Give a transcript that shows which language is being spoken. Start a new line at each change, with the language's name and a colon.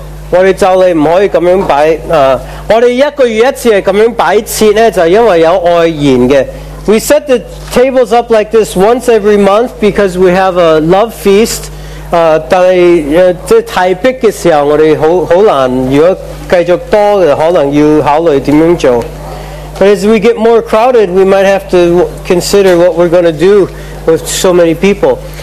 Chinese: 我哋就嚟唔可以咁样摆啊！我哋一个月一次系咁样摆设咧，就因为有外言嘅。
English: We set the tables up like this once every month because we have a love feast.
Chinese: 但系即系太逼嘅时候，我哋好难。如果继续多嘅，可能要考虑点样做。
English: But as we get more crowded, we might have to consider what we're going to do with so many people.